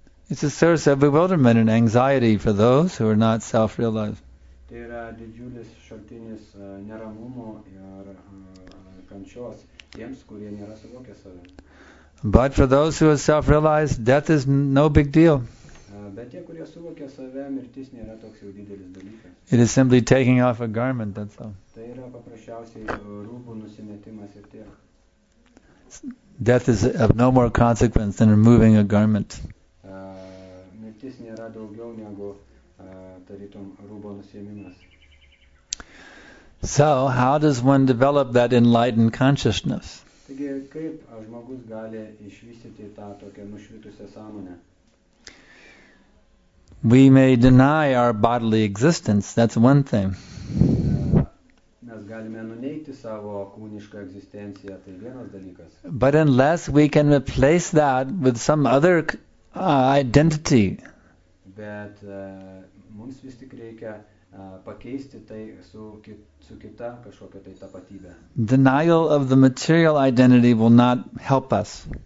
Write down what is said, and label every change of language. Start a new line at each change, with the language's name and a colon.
English: It's a source of bewilderment and anxiety for those who are not self-realized.
Lithuanian: Tai yra didžiulis šaltinis neramumo ir kančios tiems, kurie nėra suvokę save.
English: But for those who are self-realized, death is no big deal.
Lithuanian: Bet tie, kurie suvokė save, mirtis nėra toks jau didelis dalykas.
English: It is simply taking off a garment, that's all.
Lithuanian: Tai yra paprasčiausiai rūbų nusimetimas ir tiek.
English: Death is of no more consequence than removing a garment.
Lithuanian: Mirtis nėra daugiau negu tarytum rūbo nusiėmimas.
English: So, how does one develop that enlightened consciousness?
Lithuanian: Taigi, kaip žmogus gali išvystyti tą tokią nušvitusią sąmonę?
English: We may deny our bodily existence, that's one thing.
Lithuanian: Mes galime nuneigti savo kūnišką egzistenciją, tai vienas dalykas.
English: But unless we can replace that with some other identity.
Lithuanian: Bet mums vis tik reikia pakeisti tai su kita kažkokia tai tapatybė.
English: Denial of the material identity will not help us.